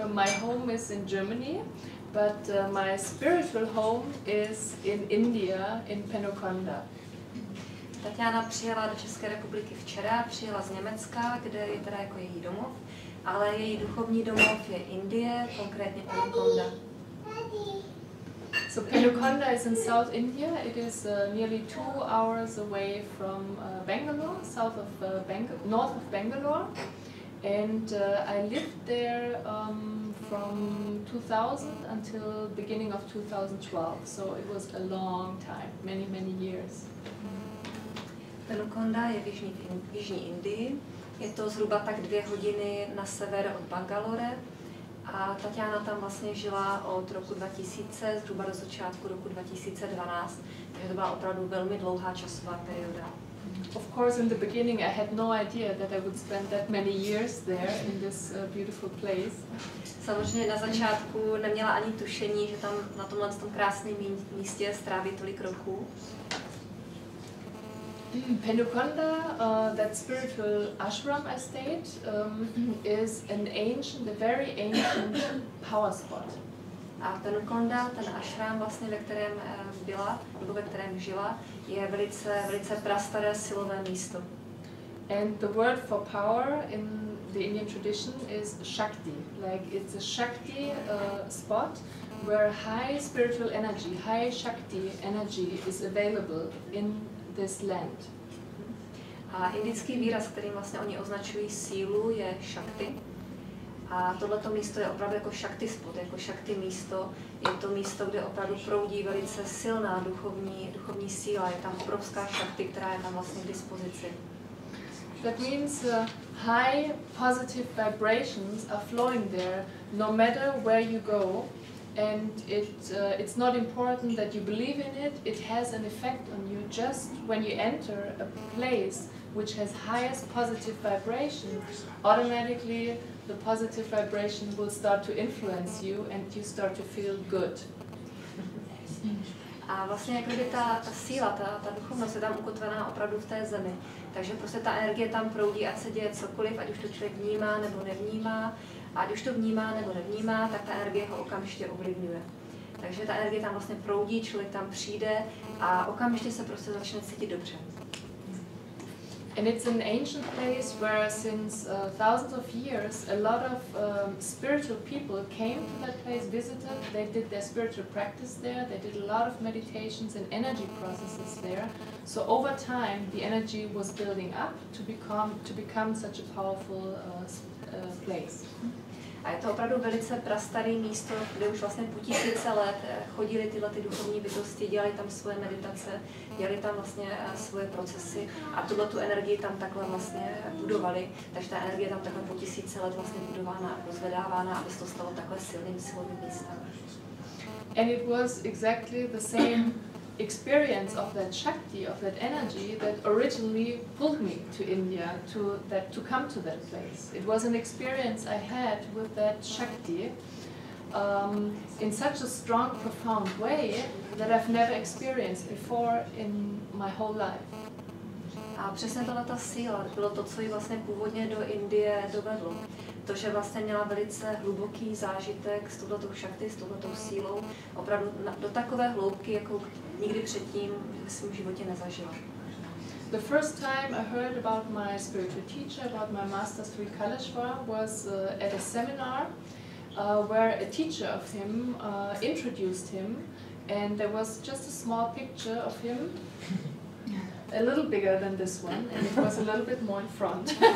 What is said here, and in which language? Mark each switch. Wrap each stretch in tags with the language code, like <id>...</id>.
<en>My home is in Germany, but my spiritual home is in India, in Penukonda.</en> <cs>Tatyana přijela do České republiky včera, přijela z Německa, kde je teda jako její domov, ale její duchovní domov je Indie, konkrétně Penukonda.</cs> <en>So Penukonda is in South India. It is nearly 2 hours away from Bangalore, north of Bangalore. And I lived there from 2000 until beginning of 2012. So it was a long time, many, many years.</en> <cs>Penukonda je v jižní Indii. Je to zhruba tak 2 hodiny na sever od Bangalore. A Tatyana tam vlastně žila od roku 2000, zhruba do začátku roku 2012, takže to byla opravdu velmi dlouhá časová perioda.</cs> <en>Of course, in the beginning I had no idea that I would spend that many years there in this beautiful place.</en> <cs>Samozřejmě na začátku neměla ani tušení, že tam na tomhle tom krásném místě stráví tolik roků.</cs> <en>Penukonda, that spiritual ashram I stayed, is an ancient, a very ancient power spot.</en> <cs>A Penukonda, ten ashram vlastně, ve kterém byla, nebo ve kterém žila, je velice, velice prastaré silové místo.</cs> <en>And the word for power in the Indian tradition is Shakti. Like it's a Shakti spot where high spiritual energy, high Shakti energy is available in this land.</en> <cs>A indický výraz, kterým vlastně oni označují sílu, je Shakti. A tohleto místo je opravdu jako Shakti spot, jako Shakti místo. Je to místo, kde opravdu proudí velice silná duchovní síla. Je tam obrovská Shakti, která je tam vlastně k dispozici.</cs> <en>That means high positive vibrations are flowing there, no matter where you go. And it's not important that you believe in it. It has an effect on you just when you enter a place which has highest positive vibration. Automatically, the positive vibration will start to influence you, and you start to feel good.</en> <cs>A vlastně jako by ta síla, ta duchovnost je tam ukotvená opravdu v té zemi. Takže prostě ta energie tam proudí, ať se děje cokoliv, ať už to člověk vnímá nebo nevnímá. A když to vnímá nebo nevnímá, tak ta energie ho okamžitě ovlivňuje. Takže ta energie tam vlastně proudí, člověk tam přijde a okamžitě se prostě začne cítit dobře.</cs> <en>And it's an ancient place where since thousands of years a lot of spiritual people came to that place, visited, they did their spiritual practice there, they did a lot of meditations and energy processes there. So over time the energy was building up to become such a powerful place.</en> <cs>A je to opravdu velice prastaré místo, kde už vlastně po tisíce let chodili tyhle ty duchovní bytosti, dělali tam svoje meditace, dělali tam vlastně svoje procesy a tuhle tu energii tam takhle vlastně budovali. Takže ta energie tam takhle po tisíce let vlastně budována a rozvedávána, aby se to stalo takhle silným, silovým místem.</cs> <en>And it was exactly the same experience of that Shakti, of that energy that originally pulled me to India, to come to that place. It was an experience I had with that Shakti in such a strong, profound way that I've never experienced before in my whole life.</en> <cs>A přesně tohle ta síla bylo to, co ji vlastně původně do Indie dovedlo. To, že vlastně měla velice hluboký zážitek s touhletou Shakti, s touhletou sílou, opravdu do takové hloubky, jako nikdy předtím v svém životě nezažila.</cs> <en>The first time I heard about my spiritual teacher, about my master Sri Kaleshwar, was at a seminar where a teacher of him introduced him, and there was just a small picture of him, a little bigger than this one, and it was a little bit more in front.</en>